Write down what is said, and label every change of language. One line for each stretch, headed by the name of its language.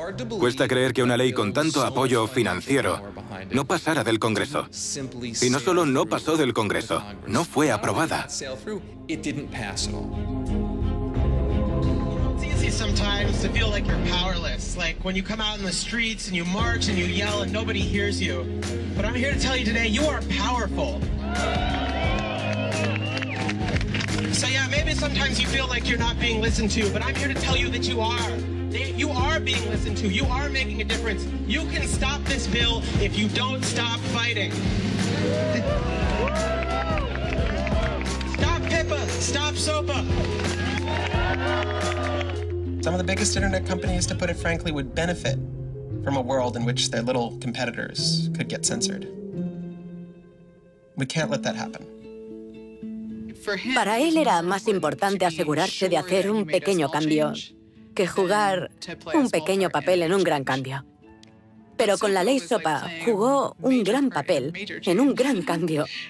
Spanish: Cuesta creer que una ley con tanto apoyo financiero no pasara del Congreso. Y no solo no pasó del Congreso, no fue aprobada.
English: Sometimes to feel like you're powerless, like when you come out in the streets and you march and you yell and nobody hears you. But I'm here to tell you today, you are powerful. So yeah, maybe sometimes you feel like you're not being listened to, but I'm here to tell you that you are. You are being listened to. You are making a difference. You can stop this bill if you don't stop fighting. Stop PIPA. Stop SOPA. Some of the biggest internet companies, to put it frankly, would benefit from a world in which their little competitors could get censored. We can't let that happen.
Spanish: Para él era más importante asegurarse de hacer un pequeño cambio que jugar un pequeño papel en un gran cambio. Pero con la ley SOPA jugó un gran papel en un gran cambio.